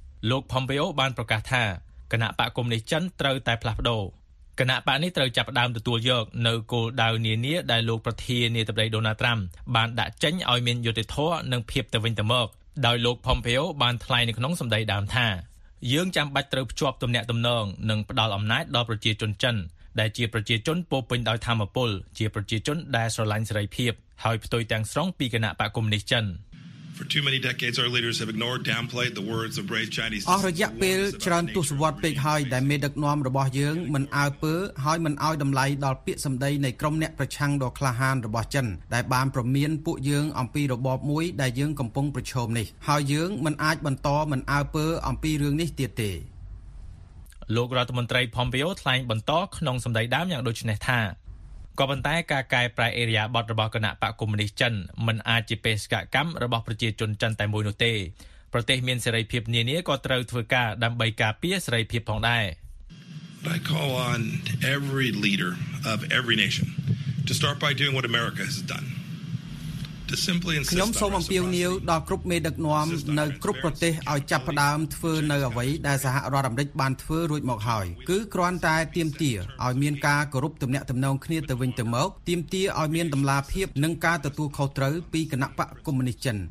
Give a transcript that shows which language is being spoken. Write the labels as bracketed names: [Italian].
[Khmer] លោកផុំពេអូបានប្រកាសថាគណៈបកកុម្មុយនីសចិនត្រូវតែផ្លាស់ប្ដូរគណៈបកនេះត្រូវចាប់ផ្ដើមទទួលយកនៅគោលដៅនានាដែលលោកប្រធាននាយកដូណាល់ត្រាំបានដាក់ចេញឲ្យមានយុត្តិធម៌និងភាពទៅវិញទៅមកដោយលោកផុំពេអូបានថ្លែងនៅក្នុងសម្ដីដើមថាយើងចាំបាច់ត្រូវភ្ជាប់ទំនាក់ទំនងនិងផ្ដល់អំណាចដល់ប្រជាជនចិនដែលជាប្រជាជនពោពេញដោយធម្មពលជាប្រជាជនដែលស្រឡាញ់សេរីភាពហើយផ្ទុយទាំងស្រុងពីគណៈបកកុម្មុយនីសចិន [English] For too many decades our leaders have ignored downplayed the words of brave Chinese [Khmer] អរយៈពេលច្រើនទសវត្សរ៍ពេកហើយដែលមេដឹកនាំរបស់យើងមិនអើពើហើយមិនឲ្យតម្លៃដល់ពាក្យសម្ដីនៃក្រុមអ្នកប្រឆាំងដ៏ក្លាហានរបស់ចិនដែលបានប្រមានពួកយើងអំពីរបបមួយដែលយើងកំពុងប្រឈមនេះហើយយើងមិនអាចបន្តមិនអើពើអំពីរឿងនេះទៀតទេ លោករដ្ឋមន្ត្រីផុំពីអូថ្លែងបន្តក្នុងសម្ដីដើមយ៉ាងដូចនេះថាក៏ប៉ុន្តែការកែប្រែអេរីយ៉ាបទរបស់គណៈបកកុម្មុយនីសចិនមិនអាចជាបេសកកម្មរបស់ប្រជាជនចិនតែមួយនោះទេប្រទេសមានសេរីភាពនានាក៏ត្រូវធ្វើការដើម្បីការពារសេរីភាពផងដែរ [English] I call on every leader of every nation to start by doing what America has done. [Khmer] ខ្ញុំសូមអំពាវនាវដល់គ្រប់មេដឹកនាំនៅគ្រប់ប្រទេសឲ្យចាប់ផ្ដើមធ្វើនៅអ្វីដែលសហរដ្ឋអាមេរិកបានធ្វើរួចមកហើយគឺគ្រាន់តែទាមទារឲ្យមានការគោរពទំនាក់ទំនងគ្នាទៅវិញទៅមកទាមទារឲ្យមានតម្លាភាពនិងការទទួលខុសត្រូវពីគណៈបកកុម្មុយនីសចិន